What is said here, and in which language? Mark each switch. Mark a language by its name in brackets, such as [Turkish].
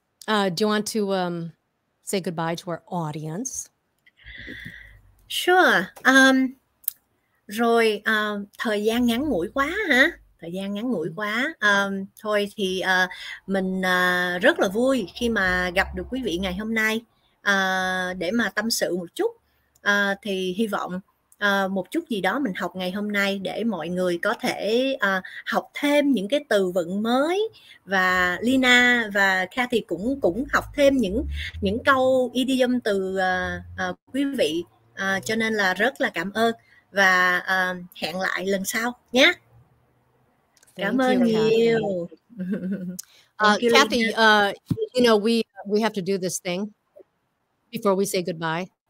[English] Do you want to say goodbye to our audience? Sure. [Vietnamese] Rồi, thời gian ngắn ngủi quá hả? Thời gian ngắn ngủi quá. Thôi thì mình rất là vui khi mà gặp được quý vị ngày hôm nay để mà tâm sự một chút. Thì hy vọng một chút gì đó mình học ngày hôm nay để mọi người có thể học thêm những cái từ vựng mới, và Lina và Cathy cũng học thêm những câu idiom từ quý vị, cho nên là rất là cảm ơn và hẹn lại lần sau nhé. Cảm ơn nhiều. [English] Kathy, you know, we have to do this thing before we say goodbye.